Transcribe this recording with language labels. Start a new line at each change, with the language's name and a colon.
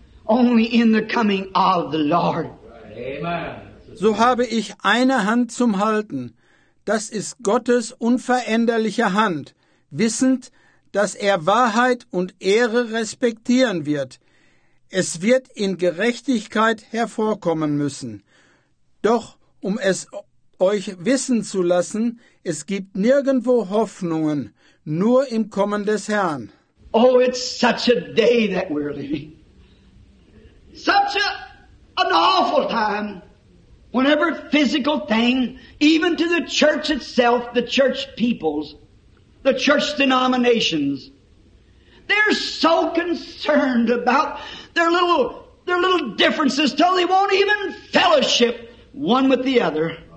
English: Only in the coming of the Lord. Amen.
German: So habe ich eine Hand zum Halten. Das ist Gottes unveränderliche Hand, wissend, dass er Wahrheit und Ehre respektieren wird. Es wird in Gerechtigkeit hervorkommen müssen. Doch, um es euch wissen zu lassen, es gibt nirgendwo Hoffnungen, nur im Kommen des Herrn.
English: Oh, it's such a day that we're living. Such an awful time, when every physical thing, even to the church itself, the church peoples, the church denominations, they're so concerned about their little differences till they won't even fellowship one with the other.